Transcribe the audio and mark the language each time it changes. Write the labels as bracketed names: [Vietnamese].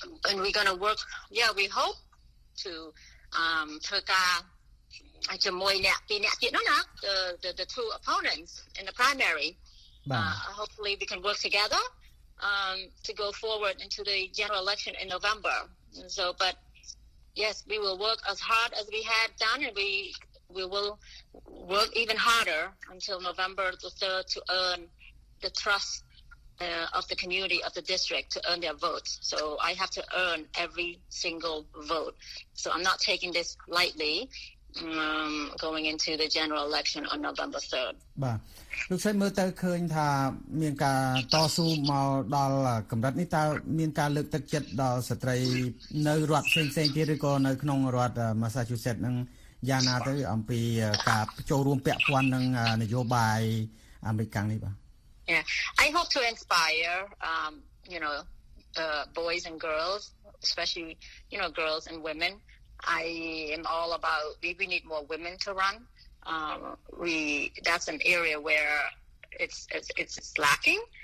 [English] and we going to work yeah we hope to [Khmer] ធ្វើការជាមួយអ្នកពីរអ្នកទៀតនោះណា [English] the two opponents in the primary hopefully we can work together to go forward into the general election in November so butYes, we will work as hard as we had done, and we will work even harder until November the 3rd to earn the trust of the community, of the district, to earn their votes. So I have to earn every single vote. So I'm not taking this lightly, going into the general election on November 3rd. [Khmer] លោកសេមើលទៅឃើញថាមានការតស៊ូមកដល់កម្រិតនេះតើមានការលើកទឹកចិត្តដល់ស្ត្រីនៅរដ្ឋផ្សេងៗទៀតឬក៏នៅក្នុងរដ្ឋ Massachusetts ហ្នឹងយ៉ាងណាទៅអំពីការចូលរួមពាក់ព័ន្ធនឹងនយោបាយអាមេរិកនេះបាទ [English] Yeah I hope to inspire you know boys and girls especially you know girls and women I am all about we need more women to runthat's an area where it's lacking.